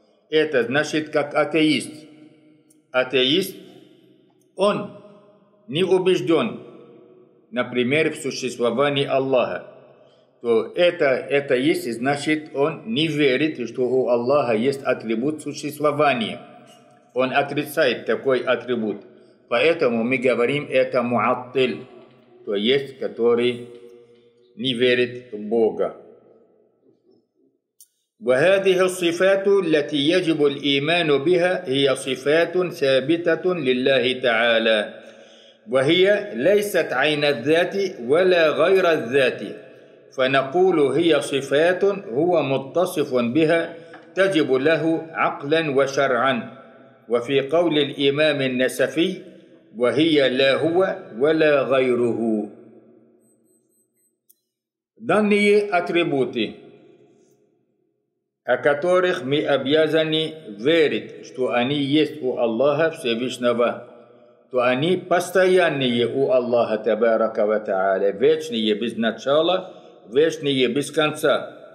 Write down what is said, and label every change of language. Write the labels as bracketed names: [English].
[Russian] Это значит как атеист. Атеист – он не убежден, например, в существовании Аллаха, то это есть, значит, он не верит, что у Аллаха есть атрибут существования. Он отрицает такой атрибут. Поэтому мы говорим, это муаттиль. то есть который не верит в Бога. [Arabic] وهذه الصفات التي يجب الإيمان بها هي صفات ثابتة لله تعالى وهي ليست عين الذات ولا غير الذات فنقول هي صفات هو متصف بها تجب له عقلا وشرعا وفي قول الإمام النسفي وهي لا هو ولا غيره. [Russian] Данные атрибуты, о которых мы обязаны верить, что они есть у Аллаха Всевышнего, то они постоянные у Аллаха Табарака ва Тааля, вечные без начала, вечные без конца.